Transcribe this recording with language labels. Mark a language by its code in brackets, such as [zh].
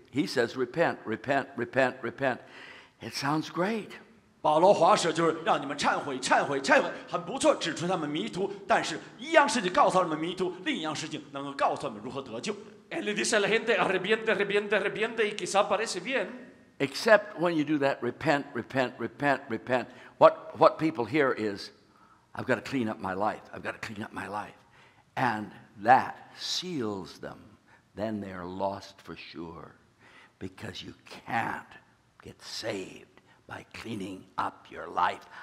[en] He says, repent, repent, repent, repent. It sounds great. [zh] 保罗华舍就是让你们忏悔忏悔忏悔很不错指出他们迷途但是一样事情告诉他们迷途另一样事情能够告诉他们如何得救 [es] Él le dice a la gente arrepiente, arrepiente, arrepiente y quizá parece bien [en] Except when you do that repent, repent, repent, repent what people hear is I've got to clean up my life I've got to clean up my life And that seals them Then they are lost for sure Because you can't get savedby cleaning up your life.